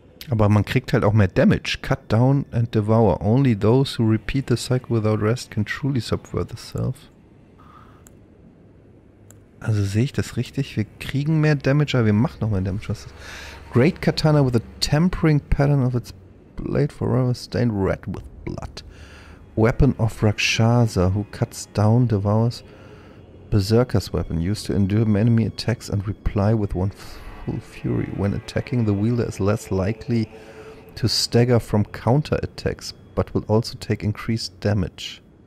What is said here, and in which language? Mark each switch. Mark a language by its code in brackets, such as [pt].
[de] Aber man kriegt halt auch mehr Damage. [en] Cut down and devour. Only those who repeat the cycle without rest can truly subvert the self. [de] Also sehe ich das richtig? Wir kriegen mehr Damage, aber wir machen noch mehr Damage. Was ist? [en] Great Katana with a tempering pattern of its blade forever stained red with blood. Weapon of Rakshasa, who cuts down, devours Berserker's weapon, used to endure enemy attacks and reply with one full fury. When attacking, the wielder is less likely to stagger from counter attacks, but will also take increased damage.